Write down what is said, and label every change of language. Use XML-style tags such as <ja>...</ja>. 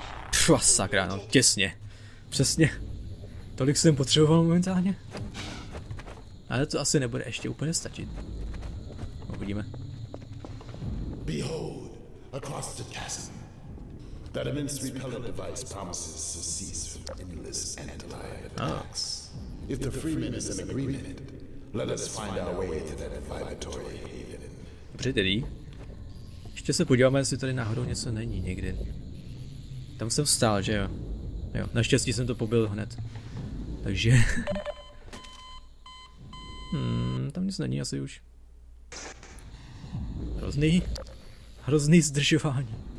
<cs>Pfa, sakra, no těsně. Přesně. Tolik jsem potřeboval momentálně. Ale to asi nebude ještě úplně stačit. Uvidíme.</cs> <en>Behold, across the chasm. That immense repeller device promises to cease from endless antlion attacks. If the Freeman is in agreement, let us find our way to that vibratory haven.</en> <cs>Dobře tedy. Ještě se podíváme, jestli tady náhodou něco není někdy. Tam jsem vstál, že jo? Jo, naštěstí jsem to pobil hned. Takže... tam nic není asi už. Hrozný. Hrozný zdržování.</cs>